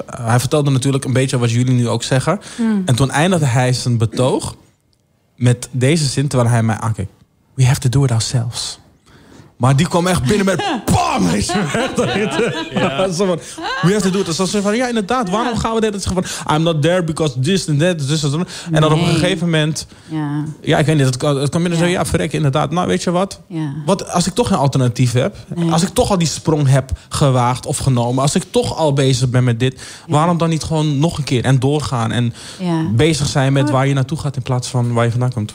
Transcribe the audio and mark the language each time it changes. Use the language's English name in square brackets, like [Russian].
[Dutch] Hij vertelde natuurlijk een beetje wat jullie nu ook zeggen. Mm. En toen eindigde hij zijn betoog met deze zin, terwijl hij mij aankijkt: [English] we have to do it ourselves. [Dutch] Maar die kwam echt binnen met bam, is weg. Ja. Ja. Van, [English] we have to do it. [Dutch] Dus ze van, ja, inderdaad, waarom gaan we dit? Ze van, [English] I'm not there because this and that. This and that. [Dutch] Nee. En dan op een gegeven moment, ja, ja, ik weet niet, het kan binnen zo, ja, verrek, inderdaad. Nou, weet je wat? Ja. Wat als ik toch een alternatief heb, als ik toch al die sprong heb gewaagd of genomen, als ik toch al bezig ben met dit, waarom dan niet gewoon nog een keer en doorgaan en bezig zijn met waar je naartoe gaat in plaats van waar je vandaan komt?